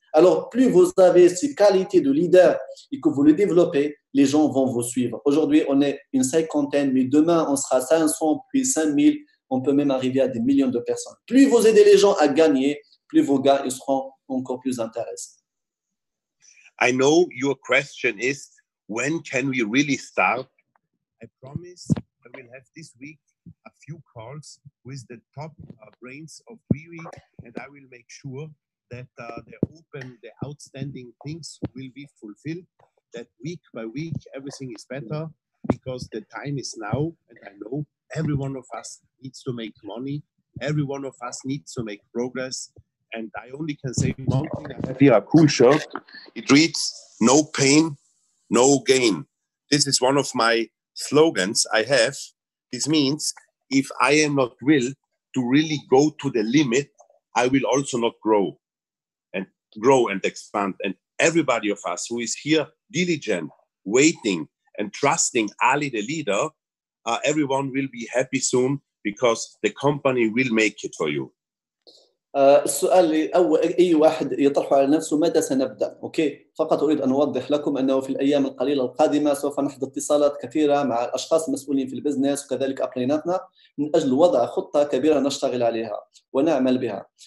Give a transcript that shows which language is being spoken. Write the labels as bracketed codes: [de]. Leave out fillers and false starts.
[fr] Alors, plus vous avez ces qualités de leader et que vous le développez, les gens vont vous suivre. Aujourd'hui, on est une cinquantaine, mais demain, on sera 500, puis 5000. On peut même arriver à des millions de personnes. Plus vous aidez les gens à gagner, plus vos gains ils seront encore plus intéressants. [en] I know your question is, when can we really start? I promise I will have this week a few calls with the top brains of WeWe, and I will make sure that the outstanding things will be fulfilled, that week by week everything is better, because the time is now, and I know every one of us needs to make money. Every one of us needs to make progress. And I only can say one thing. I have here a cool shirt. It reads, no pain, no gain. This is one of my slogans I have. This means if I am not willing to really go to the limit, I will also not grow and expand. And everybody of us who is here diligent, waiting, and trusting Ali the leader, everyone will be happy soon because the company will make it for you. [ar] السؤال أول أي واحد يطرح على نفسه متى سنبدأ؟ أوكي فقط أريد أن أوضح لكم أنه في الأيام القليلة القادمة سوف نحظى اتصالات كثيرة مع الأشخاص المسؤولين في البزنس وكذلك أقليناتنا من أجل وضع خطة كبيرة نشتغل عليها ونعمل بها.